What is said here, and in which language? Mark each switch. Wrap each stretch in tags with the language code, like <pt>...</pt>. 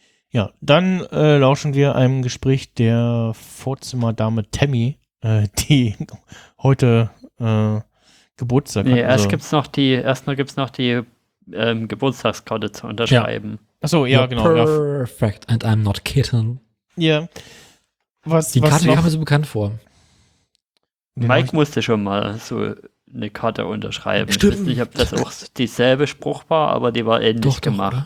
<de>Ja, dann lauschen wir einem Gespräch der Vorzimmerdame Tammy, die heute Geburtstag hat. Nee, erst also, gibt's noch die, erstmal gibt's noch die Geburtstagskarte zu unterschreiben. Ja. Achso, ja, genau.</de> <en>Perfect, ja. And I'm not kidding.</en> <de>Ja. Was, die was Karte kam mir so bekannt vor. Genau. Mike musste schon mal so eine Karte unterschreiben. Stimmt. Ich weiß nicht, ob das auch dieselbe Spruch war, aber die war ähnlich gemacht.</de>